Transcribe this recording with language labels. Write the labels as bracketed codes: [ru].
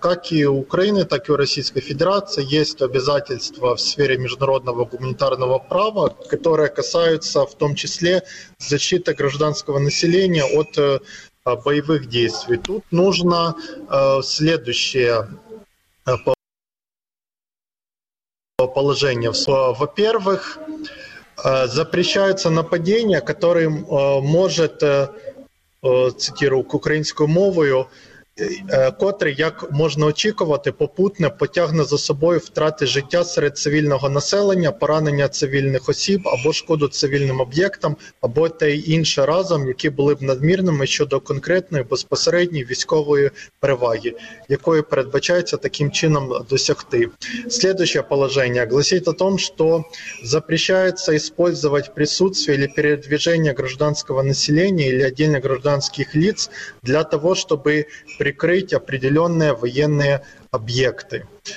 [ru] Как и у Украины, так и у Российской Федерации есть обязательства в сфере международного гуманитарного права, которые касаются в том числе защиты гражданского населения от боевых действий. Тут нужно следующее положение. Во-первых, запрещается нападение, которое может, цитирую [uk] українською мовою, котре, як можна очікувати, попутне потягне за собою втрати життя серед цивільного населення, поранення цивільних осіб або шкоду цивільним об'єктам, або те й інше разом, які були б надмірними щодо конкретної безпосередньої військової переваги, якої передбачається таким чином досягти. [ru] Следующее положение гласить о том, что запрещается использовать присутствие или передвижение гражданского населения или отдельно гражданских лиц для того, чтобы прикрыть определенные военные объекты.